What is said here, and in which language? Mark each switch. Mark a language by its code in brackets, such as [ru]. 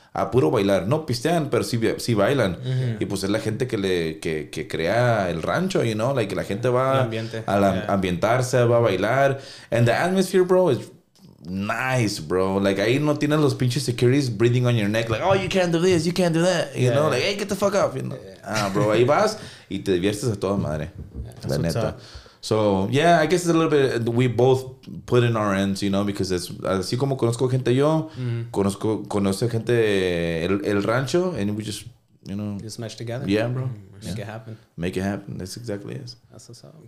[es] A puro bailar. No pistean, pero sí bailan. Mm-hmm. Y pues es la gente que crea el rancho, [en] you know? [es] Like, la gente va a ambientarse, va a bailar. [en] And the atmosphere, bro, is nice, bro. Like, [es] ahí no tienes los pinches [en] securities breathing on your neck. Like, oh, you can't do this, you can't do that. You know? Like, hey, get the fuck off. You know? [es] Ah, bro, ahí vas y te diviertes a toda madre. [en] Yeah. La That's neta. So, yeah, I guess it's a little bit, we both put in our ends, you know, because it's, [es] así como conozco gente yo, conoce gente el rancho, [en] and we just, you know. Just mesh together. Yeah, bro. Make it happen. Make it happen. That's exactly it. That's what's up.